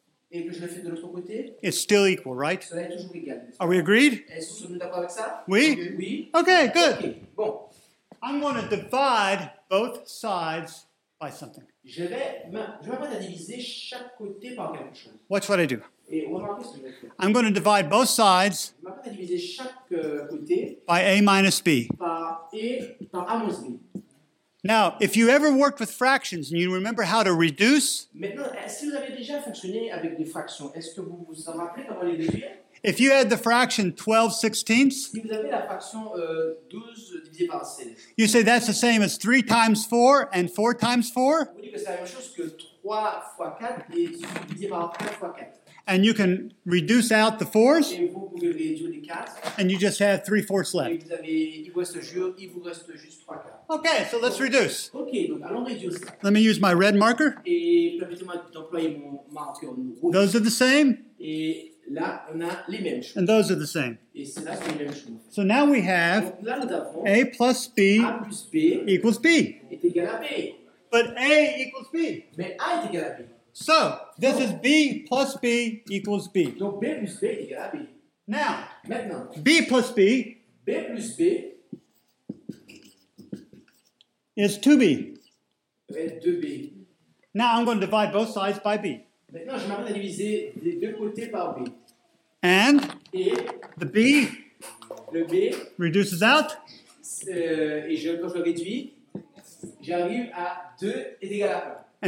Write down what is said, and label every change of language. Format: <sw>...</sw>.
<fr>et que je le fais de l'autre côté,</fr> <en>it's still equal, right?</en> <fr>Cela est toujours égal, n'est-ce pas?</fr> <en>Are we agreed?</en> <fr>Est-ce que vous êtes d'accord avec ça? Oui? Oui.</fr> <en>Okay, good.</en> <fr>Okay. Bon.</fr> <en>I'm going to divide both sides by something.</en> <fr>Je vais pas diviser chaque côté par quelque chose.</fr> <en>Watch what I do.</en> <fr>Et on va voir ce que je vais faire.</fr> <en>I'm going to divide both sides.</en> <fr>Je vais pas diviser chaque côté</fr> <en>by A minus B.</en> <fr>Par A moins B.</fr> <en>Now, if you ever worked with fractions and you remember how to reduce?</en> <fr>Maintenant, si vous avez déjà fonctionné avec des fractions, est-ce que vous vous en rappelez comment les réduire?</fr> <en>If you had the fraction 12/16,</en> <fr>si vous avez la fraction 12 divisé par 16,</fr> <en>you say that's the same as 3 times 4 and 4 times 4.</en> <fr>Vous dites que c'est la même chose que 3 fois 4 et divisé par 4 fois 4.</fr> <en>And you can reduce out the 4s.</en> <fr>Et vous pouvez réduire les 4.</fr> <en>And you just have 3/4 left.</en> <fr>Et vous avez, il vous reste juste 3 quarts.</fr> <en>Okay, so let's reduce.</en> <fr>Okay, donc allons réduire.</fr> <en>Let me use my red marker.</en> <fr>Et permettez-moi d'employer mon marqueur rouge.</fr> <en>Those are the same.</en> <fr>Et là, on a les mêmes choses.</fr> <en>And those are the same.</en> <fr>Et c'est là, c'est les mêmes choses.</fr> <en>So now we have</en> <fr>là, nous avons</fr> <en>A plus B,</en> <fr>A plus B</fr> <en>equals B.</en> <fr>Est égal à B.</fr> <en>But A equals B.</en> <fr>Mais A est égal à B.</fr> <en>So, this is B plus B equals B.</en> <fr>Donc B plus B est égal à B.</fr> <en>Now,</en> <fr>maintenant,</fr> <en>B plus B,</en> <fr>B plus B</fr> <en>is 2B.</en> <fr>Est 2B.</fr> <en>Now I'm going to divide both sides by B.</en> <fr>Maintenant, je m'arrête à diviser les deux côtés par B.</fr> <en>And</en> <fr>et</fr> <en>the B,</en> <fr>le B</fr> <en>reduces out.</en> <fr>Et je, quand je réduis, j'arrive à 2 est égal à 1.</fr>